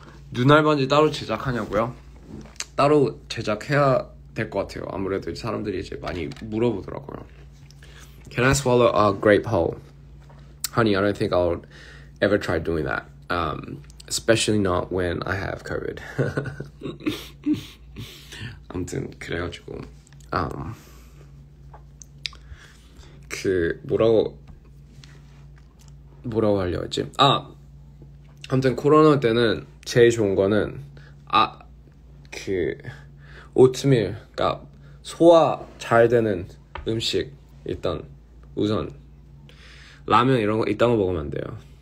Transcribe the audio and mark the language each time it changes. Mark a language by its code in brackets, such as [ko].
[ko] 눈알 반지 따로 제작하냐고요? 따로 제작해야 될 것 같아요. 아무래도 사람들이 이제 많이 물어보더라고요. [en] Can I swallow a grape whole? Honey, I don't think I'll ever try doing that. Especially not when I have COVID. [ko] 아무튼 그래가지고 그 뭐라고 하려고 했지? 아! 아무튼 코로나 때는 제일 좋은 거는 그 오트밀, 그러니까 소화 잘 되는 음식 일단 우선 라면 이런 거 이딴 거 먹으면 안 돼요.